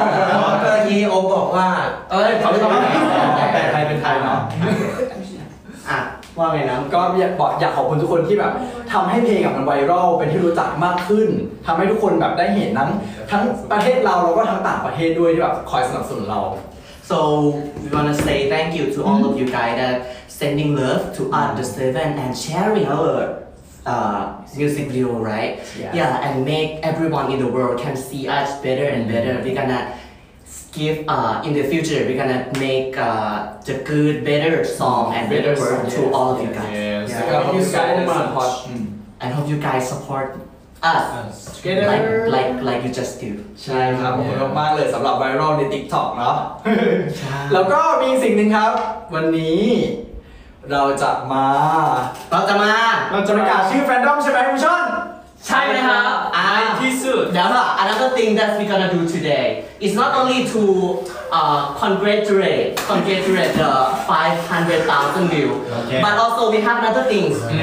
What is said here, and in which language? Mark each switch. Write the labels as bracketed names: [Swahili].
[Thai] เพราะเมื่อกี้โอบอกว่า เอ้ยขอโทษนะแต่ไทยเป็นไทยเน า ะว่าไงนะก็อยากขอบคุณทุกคนที่แบบทำให้เพลงแบบมันไวรัลเป็นที่รู้จักมากขึ้นทำให้ทุกคนแบบได้เห็นทั้งประเทศเราแล้วก็ทั้งต่างประเทศด้วยที่แบบคอยสนับสนุนเรา [English] so we wanna say thank you to all of you guys that sending love to us the seven and sharing our music video right yeah and make everyone in the world can see us better and better we gonnaGive in the future we're gonna make the good better song and better work yes, to all of you guys. Yes. Yeah. I hope you guys so support. I hope you guys support us together. Like you just do. [Thai] ใช่ครับขอบคุณมากเลยสำหรับไวรัลใน TikTok เนาะแล้วก็มีสิ่งนึงครับวันนี้เราจะประกาศชื่อแฟนดอมใช่ไหมคุณชน ใช่ไหมครับ ในที่สุด เดี๋ยวอ่ะ [English] another thing that we gonna do today is not only to congratulate the 500,000 view but also we have another things